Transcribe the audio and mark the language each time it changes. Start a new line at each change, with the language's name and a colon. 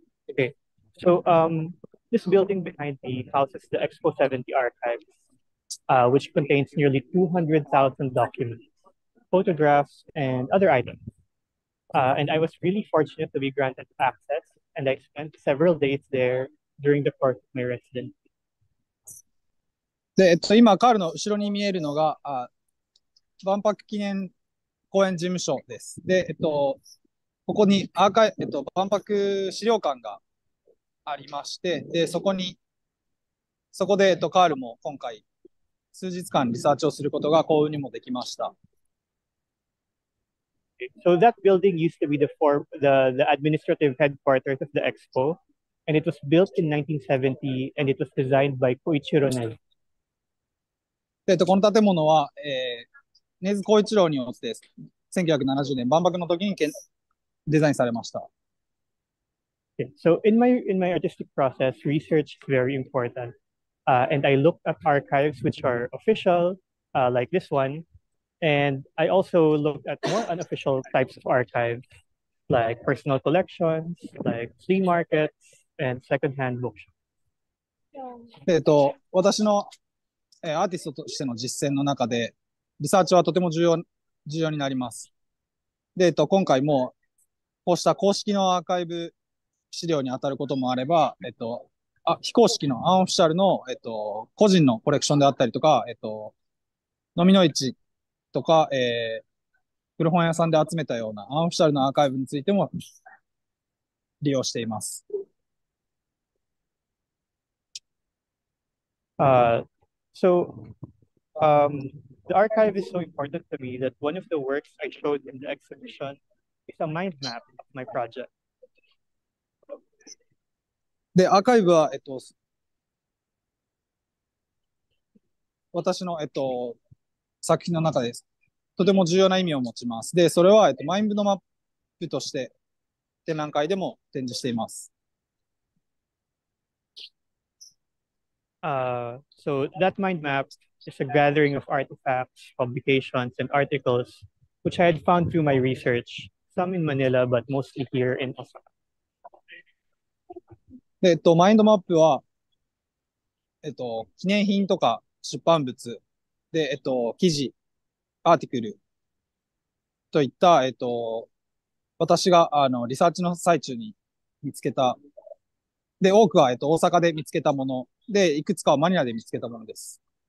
English: Okay, so this building behind me houses the Expo 70 archives, which contains nearly 200,000 documents, photographs, and other items. And I was really fortunate to be granted access, and I spent several days there during the course of my residency.
Japanese: で、今、カールの後ろに見えるのが、万博記念公園事務所です。で、ここに万博資料館がありまして、で、そこで、カールも今回、数日間リサーチをすることが幸運にもできました。
English: So that building used to be the administrative headquarters of the expo, and it was built in 1970, and it was designed by Koichiro Nezu.
Japanese: で、この建物は、根津光一郎によってです。 1970年、万博の時にデザインされました。
English: Okay. So, in my artistic process, research is very important. And I looked at archives which are official, like this one. And I also looked at more unofficial types of archives, like personal collections, like flea markets, and secondhand bookshops.
Japanese: 私の、アーティストとしての実践の中で、リサーチはとても重要になります。で、今回も、こうした公式のアーカイブ資料に当たることもあれば、非公式のアンオフィシャルの、個人のコレクションであったりとか、飲みの市とか、古本屋さんで集めたようなアンオフィシャルのアーカイブについても利用しています。
English: The archive is so important to me that one of the works I showed in the exhibition is a mind map of my project.
Japanese: で、アーカイブは、私の、作品の中です。とても重要な意味を持ちます。で、それは、マインドのマップとして展覧会でも展示しています。
English: So that mind map is a gathering of artifacts, publications, and articles which I had found through my research, some in Manila, but mostly here in Osaka.
Japanese: マインドマップは、記念品とか出版物で、記事、アーティクルといった、私がリサーチの最中に見つけた、で、多くは、大阪で見つけたもの、で、いくつかはマニラで見つけたものです。